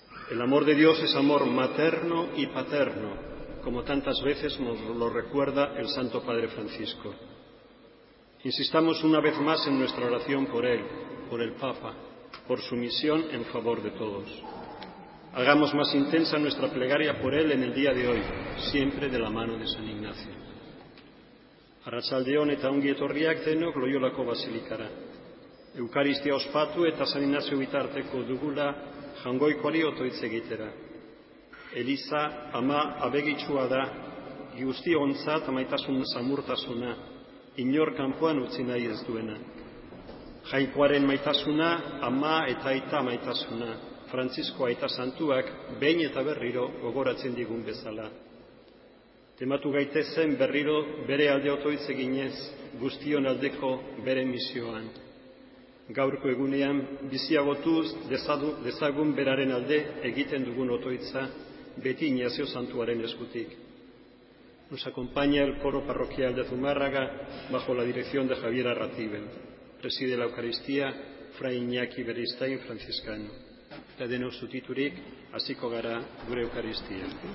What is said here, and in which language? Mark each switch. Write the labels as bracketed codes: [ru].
[es] El amor de Dios es amor materno y paterno, como tantas veces nos lo recuerda el Santo Padre Francisco. Insistamos una vez más en nuestra oración por él, por el Papa, por su misión en favor de todos. Hagamos más intensa nuestra plegaria por él en el día de hoy, siempre de la mano de San Ignacio. [eu] Arratsaldeon eta ongi etorriak denok Loyolako basilikara. Eukaristia ospatu eta San Ignacio bitarteko dugula jangoikoari otoitz egitera. Eliza ama abegitsua da, guztiontzat maitasun samurtasuna, inor kanpoan utzi nahi ez duena. Jainkoaren maitasuna, ama eta aita maitasuna, Frantzisko aita santuak behin eta berriro gogoratzen digun bezala. Tematu gaitezen berriro bere alde otoitz eginez, guztion aldeko bere misioan. Gaurko egunean biziagotuz dezagun beraren alde egiten dugun otoitza, beti Ignazio santuaren eskutik. [es] Nos acompaña el coro parroquial de Zumárraga bajo la dirección de Javier Arratibel. Preside la Eucaristía Fray Iñaki Beristain franciscano. Le denos su titurik, así cogará gure Eucaristía.